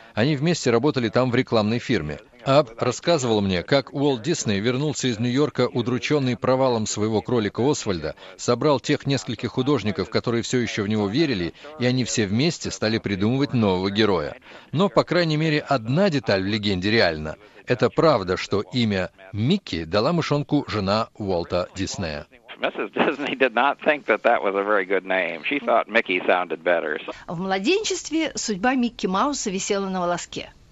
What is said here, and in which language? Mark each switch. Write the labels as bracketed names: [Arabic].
[Russian] Они вместе работали там в рекламной фирме. Аб рассказывал мне, как Уолт Дисней вернулся из Нью-Йорка, удрученный провалом своего кролика Освальда, собрал тех нескольких художников, которые все еще в него верили, и они все вместе стали придумывать нового героя. Но, по крайней мере, одна деталь в легенде реальна. Это правда, что имя Микки дала мышонку жена Уолта Диснея. [English] Миссис Дисней did not think that that was a very good name. She thought Mickey sounded better. [Russian] В младенчестве судьба Микки Мауса висела на волоске.